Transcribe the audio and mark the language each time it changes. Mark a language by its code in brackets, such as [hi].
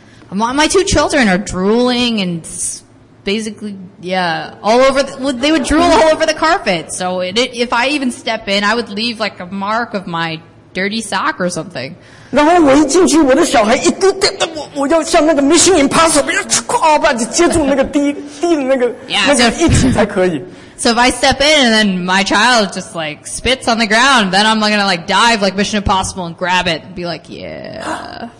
[en] My two children are drooling and basically, yeah, all over. They would drool all over the carpet. So if I even step in, I would leave like a mark of my dirty sock or something. [zh] 然后我一进去，我的小孩一丢，我要像那个 Mission Impossible， 就接住那个滴的那个液体才可以。 [en] So if I step in and then my child just like spits on the ground, then I'm gonna like dive like Mission Impossible and grab it and be like, yeah.